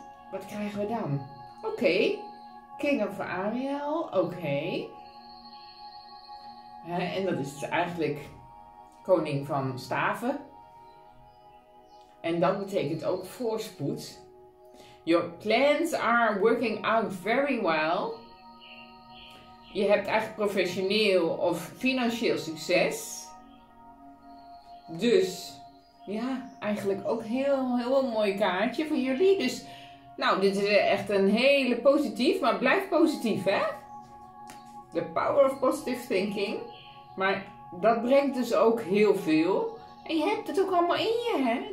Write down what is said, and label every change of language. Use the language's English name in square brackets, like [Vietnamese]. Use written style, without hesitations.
[Dutch] Wat krijgen we dan? Oké, okay. King of Ariel. Oké. Okay. En dat is eigenlijk koning van staven. En dat betekent ook voorspoed. [English] Your plans are working out very well. [Dutch] Je hebt eigenlijk professioneel of financieel succes. Dus, ja, eigenlijk ook heel, heel mooi kaartje voor jullie. Dus, nou, dit is echt een hele positief, maar blijf positief, hè? [English] The power of positive thinking. [Dutch] Maar dat brengt dus ook heel veel. En je hebt het ook allemaal in je, hè?